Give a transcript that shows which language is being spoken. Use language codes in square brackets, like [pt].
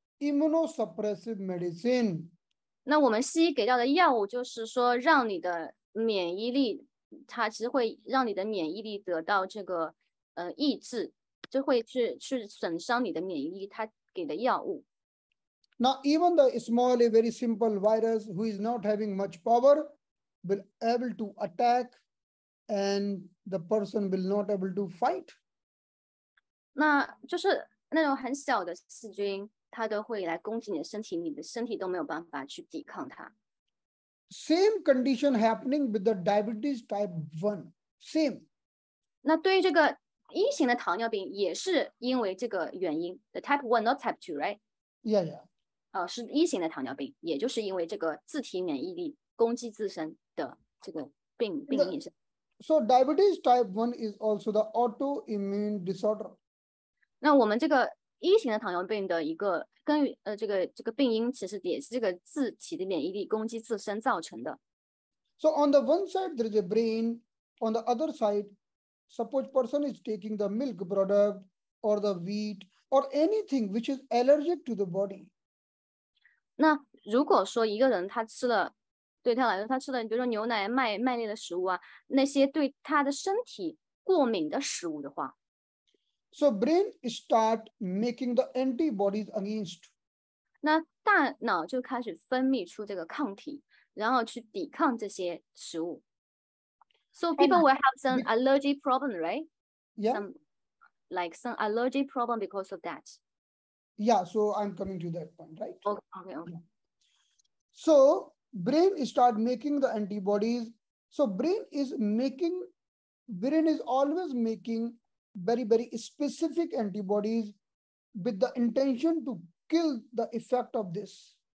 [en] Immunosuppressive medicine. [zh] 那我们西医给到的药物就是说让你的免疫力，它其实会让你的免疫力得到这个抑制，就会去损伤你的免疫力，它给的药物。 [en] Now even the small, very simple virus who is not having much power will able to attack and the person will not able to fight. [zh] 那就是那种很小的细菌。它都会来攻击你的身体，你的身体都没有办法去抵抗它。 [en] Same condition happening with the diabetes type 1. Same. [zh] 那对于这个一型的糖尿病也是因为这个原因 ， [en] the type 1 not type 2, right? Yeah, yeah. [zh] 是一型的糖尿病，也就是因为这个自体免疫力攻击自身的这个病因是。 [en] So diabetes type 1 is also the autoimmune disorder. [zh] 那我们这个。一型的糖尿病的一个根源这个病因其实也是这个自体的免疫力攻击自身造成的。 [en] So on the one side there is a brain, on the other side, suppose person is taking the milk product or the wheat or anything which is allergic to the body. [zh] 那如果说一个人他吃了，对他来说他吃了比如说牛奶、麦类的食物啊，那些对他的身体过敏的食物的话。 [en] So brain start making the antibodies against. [zh] 那大脑就开始分泌出这个抗体，然后去抵抗这些食物。 [en] So people will have some allergy problem, right? Yeah. Some allergy problem because of that. Yeah, so I'm coming to that point, right? Okay. So brain start making the antibodies. So brain is always making very, very specific antibodies with the intention to kill the effect of this.